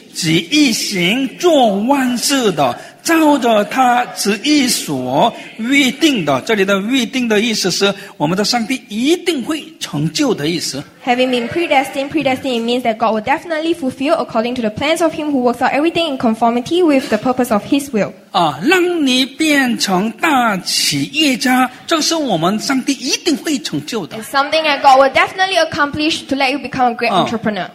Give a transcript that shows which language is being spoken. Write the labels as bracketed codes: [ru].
[zh] 旨意行做万事的，照着他旨意所预定的。这里的预定的意思是，我们的上帝一定会成就的意思。 [en] Having been predestined, predestined means that God will definitely fulfill according to the plans of Him who works out everything in conformity with the purpose of His will. [zh] 让你变成大企业家，这是我们上帝一定会成就的。 [en] It's something that God will definitely accomplish to let you become a great entrepreneur.